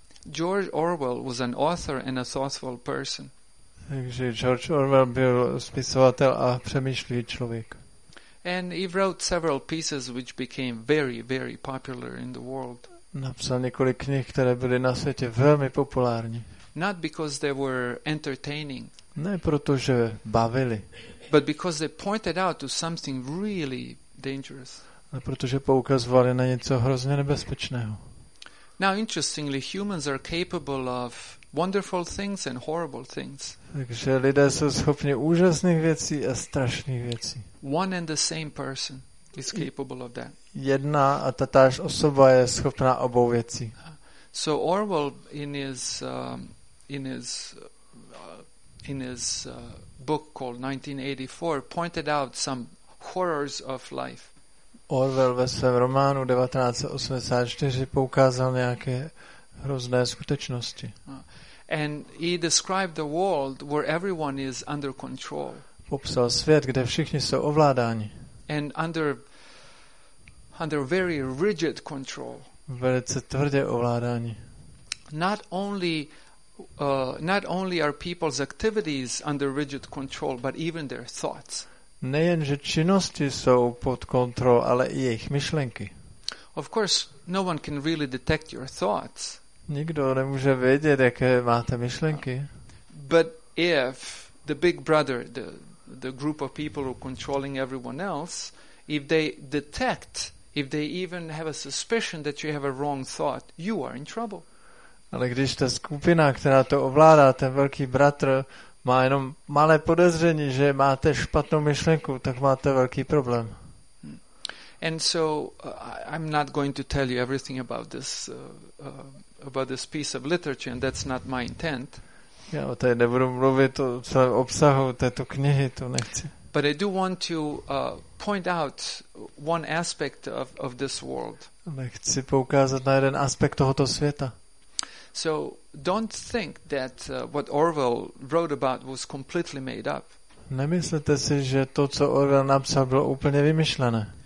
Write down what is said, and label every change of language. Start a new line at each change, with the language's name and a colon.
English: George Orwell was an author and a thoughtful person.
Czech: Takže George Orwell byl spisovatel a přemýšlivý člověk.
English: And he wrote several pieces which became very, very popular in the world.
Czech: Napsal několik knih, které byly na světě velmi populární.
English: Not because they were entertaining.
Czech: Ne proto, že bavili.
English: But because they pointed out to something really dangerous.
Czech: Ale protože poukazovali na něco hrozně nebezpečného.
English: Now interestingly, humans are capable of wonderful things and horrible things.
Czech: Takže lidé jsou schopni úžasných věcí a strašných věcí.
English: One and the same person is capable of that.
Czech: Jedna a tatáž osoba je schopná obou věcí.
English: So Orwell in his book called 1984 pointed out some horrors of life.
Czech: Orwell ve svém románu 1984 poukázal nějaké hrozné skutečnosti.
English: And he described the world where everyone is under control.
Czech: Popsal svět, kde všichni jsou ovládáni.
English: And under very rigid control.
Czech: Velice tvrdě ovládáni.
English: Not only are people's activities under rigid control, but even their thoughts.
Czech: Nejen že činnosti jsou pod kontrolou, ale i jejich myšlenky.
English: Of course, no one can really detect your thoughts.
Czech: Nikdo nemůže vědět, jaké máte myšlenky.
English: But if the big brother, the group of people who are controlling everyone else, if they detect, if they even have a suspicion that you have a wrong thought, you are in trouble.
Czech: Ale když ta skupina, která to ovládá, ten velký bratr, má jenom malé podezření, že máte špatnou myšlenku, tak máte velký problém.
English: And so I'm not going to tell you everything about this piece of literature, and that's not my intent.
Czech: Já o tady nebudu mluvit o celém obsahu této knihy, to nechci.
English: But I do want to point out one aspect of this world.
Czech: Nechci poukázat na jeden aspekt tohoto světa.
English: So don't think that what Orwell wrote about was completely made up.
Czech: Nemyslete si, že to, co Orwell napsal, bylo úplně vymyšlené.